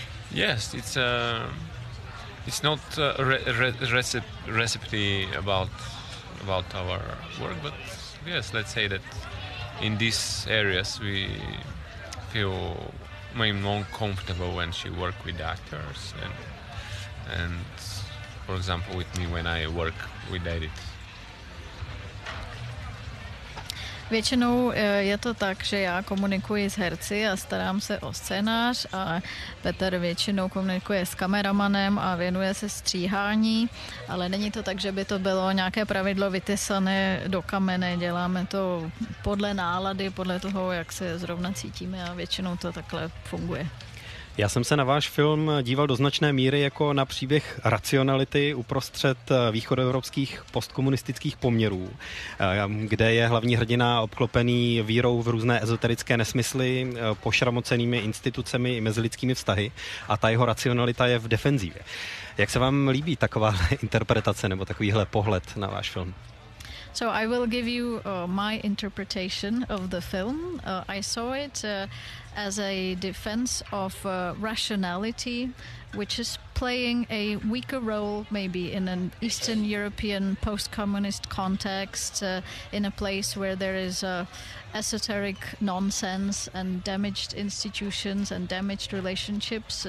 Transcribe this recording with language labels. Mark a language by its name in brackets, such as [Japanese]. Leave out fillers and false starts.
[English] yes, it's not a recipe about our work, but yes, let's say that in these areas we feel more comfortable when she work with actors and for example with me when I work with edit. [Czech] Většinou je to tak, že já komunikuji s herci a starám se o scénář a Petr většinou komunikuje s kameramanem a věnuje se stříhání, ale není to tak, že by to bylo nějaké pravidlo vytesané do kamene. Děláme to podle nálady, podle toho, jak se zrovna cítíme, a většinou to takhle funguje. Já jsem se na váš film díval do značné míry jako na příběh racionality uprostřed východoevropských postkomunistických poměrů, kde je hlavní hrdina obklopený vírou v různé ezoterické nesmysly, pošramocenými institucemi i mezilidskými vztahy, a ta jeho racionalita je v defenzivě. Jak se vám líbí taková interpretace nebo takovýhle pohled na váš film? [English] So I will give you my interpretation of the film. I saw it as a defense of rationality, which is playing a weaker role maybe in an Eastern European post-communist context, in a place where there is esoteric nonsense and damaged institutions and damaged relationships.